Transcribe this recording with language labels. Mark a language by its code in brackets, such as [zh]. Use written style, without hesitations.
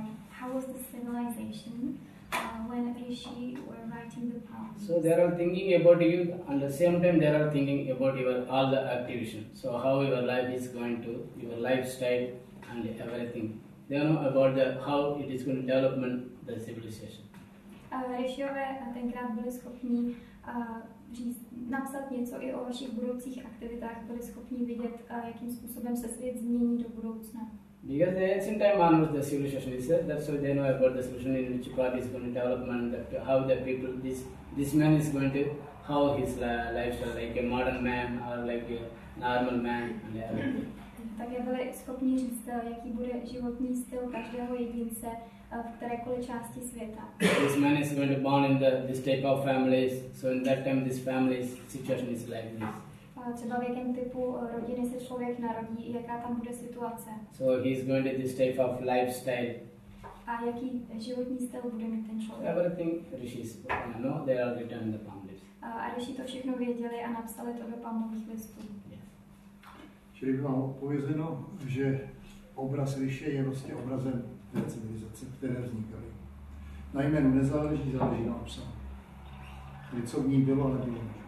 [en] How was the civilization when the Rishi were writing the palm leaves? So they are thinking about you, and the same time they are thinking about your all the activation. So how your life is going to, your lifestyle and everything. They know about the how it is going to develop the civilization. [cs] Rishiové tenkrát byli schopni říct, napsat něco i o vašich budoucích aktivitách, byli schopni vidět, jakým způsobem se svět změní do budoucna. [en] Because the ancient time onwards the civilization is there, that's why they know about the solution in which part is going to develop and how the people, this man is going to, how his lifestyle, like a modern man or like a normal man and everything. [cs] Také byli schopni říct, jaký bude životní styl každého jedince, v kterékoliv části světa. [en] This man is going to born in this type of families, so in that time this family's situation is like this. [cs] Třeba v jakém typu rodiny se člověk narodí, jaká tam bude situace. [en] So he is going to this type of lifestyle. [cs] A jaký životní styl bude mít ten člověk? [en] Everything rishis, you know, they are written in the palm leaves. [cs] A rishi to všechno věděli a napsali to do palmových listů. Čili by vám odpovězeno, že obraz rishi je vlastně obrazem té civilizace, které vznikaly. Na jménu nezáleží, záleží na obsahu. Co v ní bylo, nebylo.